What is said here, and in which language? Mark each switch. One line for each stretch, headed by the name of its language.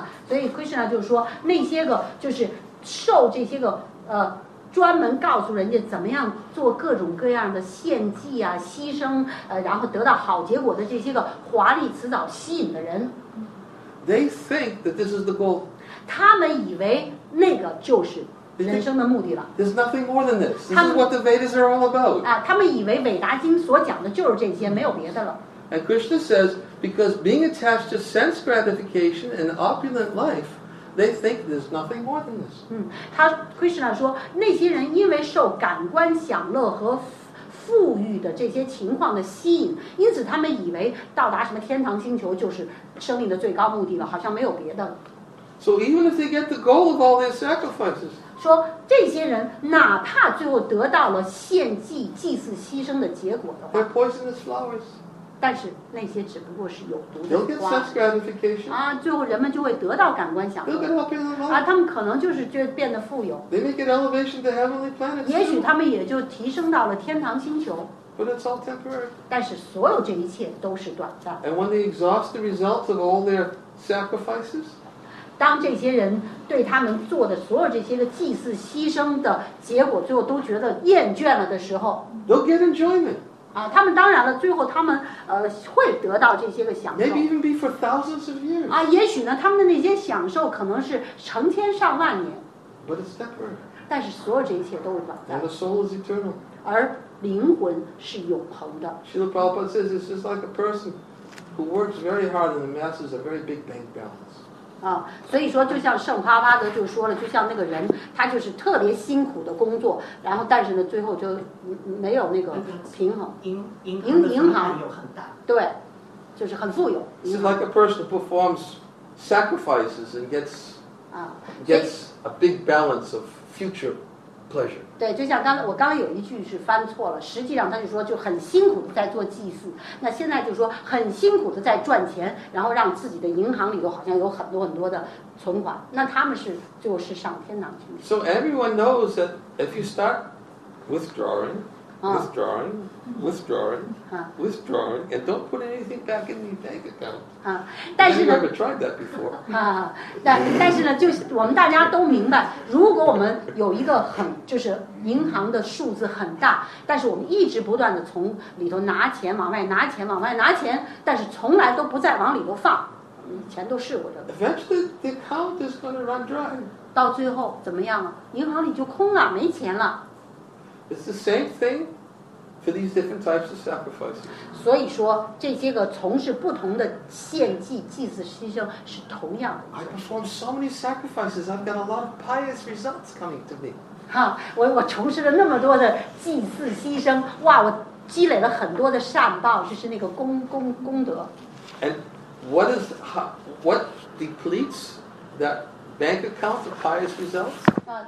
Chinese: 啊，所以 Krishna 就说那些个就是受这些个专门告诉人家怎么样做各种各样的献祭啊、牺牲，然后得到好结果的这些个华丽辞藻吸引的人。
English: They think that this is the goal.
Chinese: 他们以为那个就是。人生的目的了。
English: There's nothing more than this. This is what the Vedas are all about.
Chinese: 啊，他们以为韦达经所讲的就是这些，没有别的了。
English: And Krishna says, because being attached to sense gratification and opulent life, they think there's nothing more than this.
Chinese: 嗯，他 Krishna 说，那些人因为受感官享乐和富裕的这些情况的吸引，因此他们以为到达什么天堂星球就是生命的最高目的了，好像没有别的了。
English: So even if they get the goal of all their sacrifices.
Chinese: 说这些人哪怕最后得到了献祭祭祀牺牲的结果的话。
English: They're poisonous flowers.
Chinese: 但是那些只不过是有毒的花。
English: They'll get sense gratification.
Chinese: 啊，最后人们就会得到感官享乐。
English: They'll get opulent life.
Chinese: 啊，他们可能就是就变得富有。
English: They may get elevation to heavenly planets.
Chinese: 也许他们也就提升到了天堂星球。
English: But it's all temporary.
Chinese: 但是所有这一切都是短暂。
English: And when they exhaust the results of all their sacrifices.
Chinese: 当这些人对他们做的所有这些个祭祀牺牲的结果最后都觉得厌倦了的时候
English: They'll get enjoyment.
Chinese: 啊，他们当然了，最后他们会得到这些个享受。
English: Maybe even be for thousands of years.
Chinese: 啊，也许呢，他们的那些享受可能是成千上万年。
English: But it's temporary.
Chinese: 但是所有这一切都是短暂。
English: And the soul is eternal.
Chinese: 而灵魂是永恒的。
English: Srila Prabhupada says it's just like a person who works very hard and amasses a very big bank balance.
Chinese: 啊，所以说就像圣帕巴德就说了，就像那个人，他就是特别辛苦的工作，然后但是呢，最后就没有那个平衡，银行有很大，对，就是很富有。
English: It's like a person performs sacrifices and gets a big balance of future pleasure.
Chinese: 对，就像我刚刚有一句是翻错了，实际上他就说就很辛苦的在做祭祀，那现在就说很辛苦的在赚钱，然后让自己的银行里头好像有很多很多的存款，那他们是就是上天堂去。
English: So everyone knows that if you start withdrawing, and don't put anything back in your bank account. Have you ever tried that before?
Chinese: 但是呢，就是我们大家都明白，如果我们有一个很就是银行的数字很大，但是我们一直不断的从里头拿钱往外拿钱往外拿钱，但是从来都不再往里头放，以前都试过这个。
English: Eventually, the account is going to run dry.
Chinese: 到最后怎么样了？银行里就空了，没钱了。
English: It's the same thing for these different types of sacrifices.
Chinese: 所以说，这些个从事不同的献祭、祭祀、牺牲是同样的。
English: I perform so many sacrifices. I've got a lot of pious results coming to me.
Chinese: 哈，我从事了那么多的祭祀、牺牲，哇，我积累了很多的善报，就是那个功德。
English: And what depletes that bank account of pious results?